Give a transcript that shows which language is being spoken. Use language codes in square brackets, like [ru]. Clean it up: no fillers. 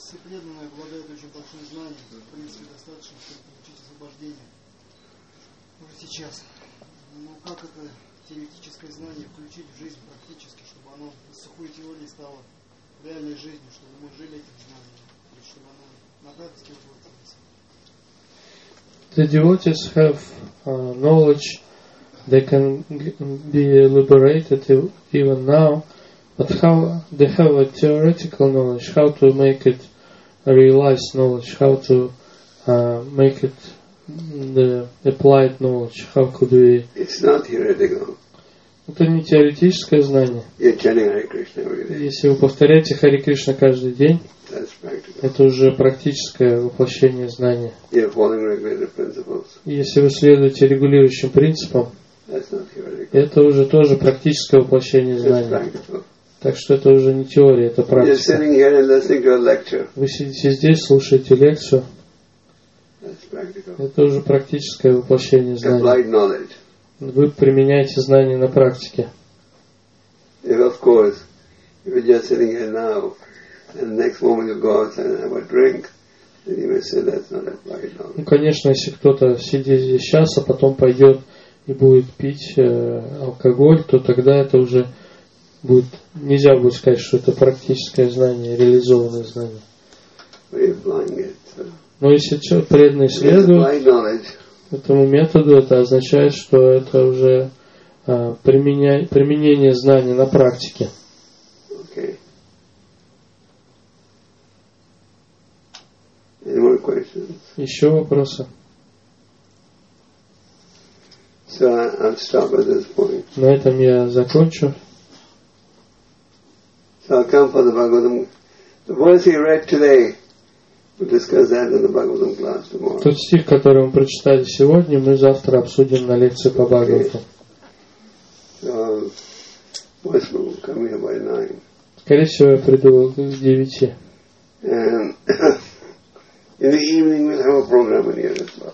[ru] Преданные обладают очень большим знанием, в принципе, достаточно, чтобы получить освобождение уже сейчас. Но как это теоретическое знание включить в жизнь практически, чтобы оно из сухой теории стало реальной жизнью, чтобы мы жили этим знанием, и чтобы оно на практике воплотилось? [en] The devotees have knowledge that can be liberated even now, but how they have a theoretical knowledge, how to make it realized knowledge, how to make it the applied knowledge, how could we... It's not theoretical. [ru] Это не теоретическое знание. [en] You're chanting Hare Krishna every day. [ru] Если вы повторяете Hare Krishna каждый день, [en] that's practical. [ru] Это уже практическое воплощение знания. [en] You're following regulated principles. [ru] Если вы следуете регулирующим принципам, [en] that's not theoretical. [ru] Это уже тоже практическое воплощение знания. [en] That's practical. [ru] Так что это уже не теория, это практика. [en] You're sitting here and listening to a lecture. [ru] Вы сидите здесь, слушаете лекцию. [en] That's practical. [ru] Это уже практическое воплощение знания. [en] Applied knowledge. [ru] Вы применяете знания на практике. [en] Yeah, of course. If you're just sitting here now, and the next moment you go out and have a drink, then you may say that's not applied knowledge. [ru] Ну, конечно, если кто-то сидит здесь сейчас, а потом пойдет и будет пить алкоголь, то тогда это уже будет, нельзя будет сказать, что это практическое знание, реализованное знание. Но если преданный следует этому методу, это означает, что это уже применение знаний на практике. [en] Okay. Any more questions? [ru] Еще вопросы? [en] So I'll stop at this point. [ru] На этом я закончу. [en] So I'll come for the Bhagavatam. The verse he read today, we'll discuss that in the Bhagavatam class tomorrow. [ru] Тот стих, который мы прочитали сегодня, мы завтра обсудим на лекции по Бхагавату. [en] Okay. So, we'll come here by 9. [ru] Скорее всего, я приду к 9. [en] And in the evening we'll have a program in Ярославле.